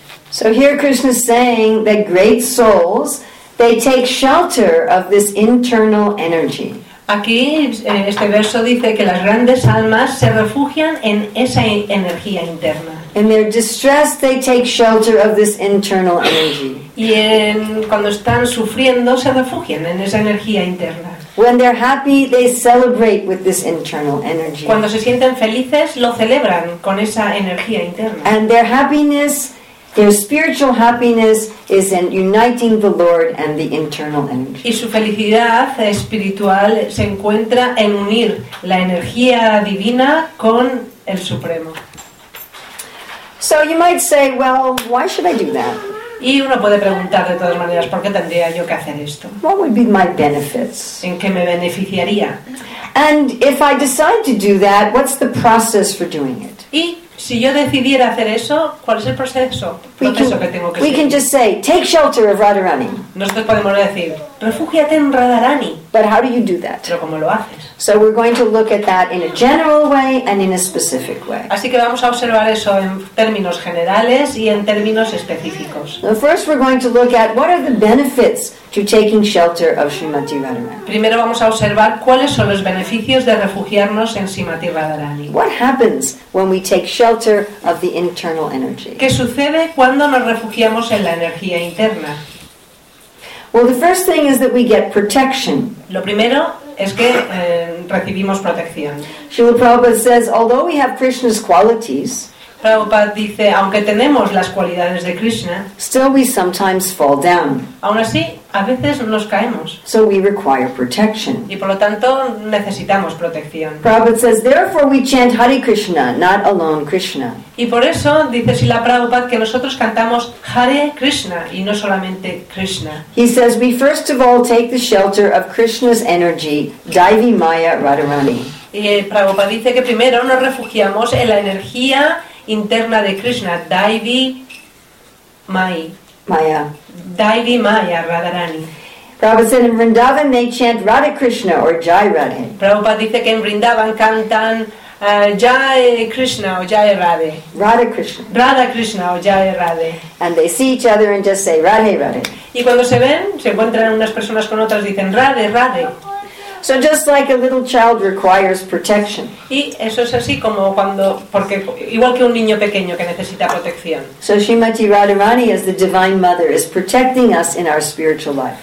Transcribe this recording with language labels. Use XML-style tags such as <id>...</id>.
<en>So here Krishna is saying that great souls, they take shelter of this internal energy.</en> <es>Aquí en este verso dice que las grandes almas se refugian en esa energía interna.</es> <en>In their distress, they take shelter of this internal energy.</en> <es>Y en, cuando están sufriendo, se refugian en esa energía interna.</es> <en>When they're happy, they celebrate with this internal energy.</en> <es>Cuando se sienten felices, lo celebran con esa energía interna.</es> <en>And their happiness, their spiritual happiness, is in uniting the Lord and the internal energy.</en> <es>Y su felicidad espiritual se encuentra en unir la energía divina con el Supremo.</es> <en>So you might say, well, why should I do that?</en> <es>Y uno puede preguntar de todas maneras, ¿por qué tendría yo que hacer esto?</es> <en>What would be my benefits?</en> <es>¿En qué me beneficiaría?</es> <en>And if I decide to do that, what's the process for doing it?</en> <es>Y si yo decidiera hacer eso, ¿cuál es el proceso? ¿Proceso que tengo que seguir?</es> <en>We can just say, take shelter of Radharani.</en> <es>Nosotros podemos decir, refúgiate en Radharani.</es> <en>But how do you do that?</en> <es>¿Pero cómo lo haces?</es> <en>So we're going to look at that in a general way and in a specific way.</en> <es>Así que vamos a observar eso en términos generales y en términos específicos.</es> <en>Now first we're going to look at what are the benefits to taking shelter of Srimati Radharani.</en> <es>Primero vamos a observar cuáles son los beneficios de refugiarnos en Srimati Radharani.</es> <en>What happens when we take shelter of the internal energy?</en> <es>¿Qué sucede cuando nos refugiamos en la energía interna?</es> <en>Well, the first thing is that we get protection.</en> <es>Lo primero es que recibimos protección.</es> <en>Srila Prabhupada says, although we have Krishna's qualities,</en> <es>Prabhupada dice, aunque tenemos las cualidades de Krishna,</es> <en>still we sometimes fall down.</en> <es>Aún así, a veces nos caemos.</es> <en>So we require protection.</en> <es>Y por lo tanto, necesitamos protección.</es> <en>Prabhupada says, therefore we chant Hare Krishna, not alone Krishna.</en> <es>Y por eso, dice Srila Prabhupada, que nosotros cantamos Hare Krishna y no solamente Krishna.</es> <en>He says, we first of all take the shelter of Krishna's energy, Daivi Maya Radharani.</en> <es>Y Prabhupada dice que primero nos refugiamos en la energía interna de Krishna, Daivi Maya.</es> <sa>Maya. Daivi Maya Radharani.</sa> <en>Prabhupada said in Vrindavan they chant Radha Krishna or Jai Radhe.</en> <es>Prabhupada dice que en Vrindavan cantan Jai Krishna o Jai Radhe.</es> <sa>Radha Krishna.</sa> <es>Radha Krishna o Jai Radhe.</es> <en>And they see each other and just say Radhe Radhe.</en> <es>Y cuando se ven, se encuentran unas personas con otras, dicen Radhe Radhe.</es> <en>So just like a little child requires protection.</en> <es>Y eso es así como cuando, porque igual que un niño pequeño que necesita protección.</es> <en>So Srimati Radharani as the Divine Mother is protecting us in our spiritual life.</en>